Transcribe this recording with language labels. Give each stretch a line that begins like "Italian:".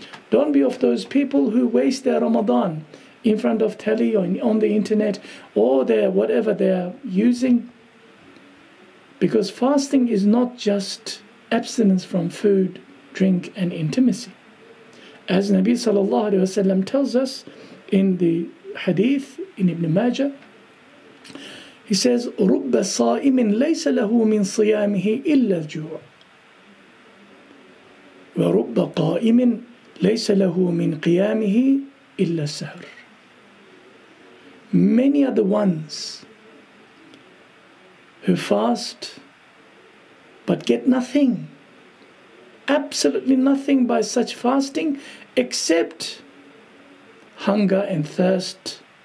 English: Don't be of those people who waste their Ramadan in front of telly or on the internet or their whatever they are using. Because fasting is not just abstinence from food, drink and intimacy. As Nabi sallallahu alayhi wasallam tells us in the hadith in Ibn Majah, he says,
Arabic: رُبَّ صَائِمٍ لَيْسَ لَهُ مِنْ صِيَامِهِ إِلَّا الْجُوعِ وَرُبَّ قَائِمٍ لَيْسَ لَهُ مِنْ قِيَامِهِ إِلَّا السَّهْرِ.
English: Many are the ones who fast but get nothing, absolutely nothing by such fasting except hunger and thirst.